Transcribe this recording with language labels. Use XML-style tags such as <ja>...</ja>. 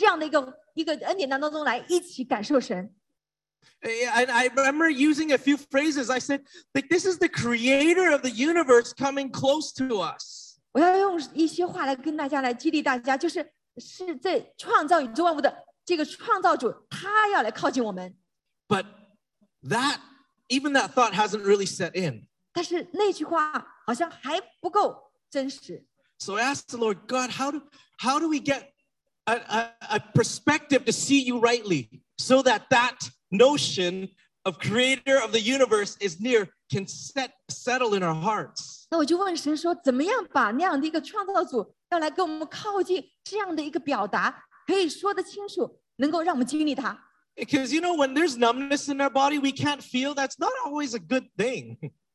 <zh>我的心不只是我自己能够再次的感受到神，我是想我们整个家可不可以一起跳到这样的一个恩典当中来一起感受神。</zh> <en>And I remember using a few phrases. I said, like, this is the creator of the universe coming close to us.</en> <zh>我要用一些话来跟大家来激励大家，就是这创造宇宙万物的这个创造主，他要来靠近我们。</zh> <en>But that, even that thought hasn't really set in.</en> <zh>但是那句话好像还不够真实。</zh> <en>So I asked the Lord, God, how do we get a perspective to see you rightly so that notion of creator of the universe is near can settle in our hearts.</en> <zh>那我就问神说, 怎么样把那样的一个创造主要来跟我们靠近这样的一个表达可以说得清楚, 能够让我们经历它。</zh> <en>Because you know, when there's numbness in our body, we can't feel, that's not always a good thing.</en>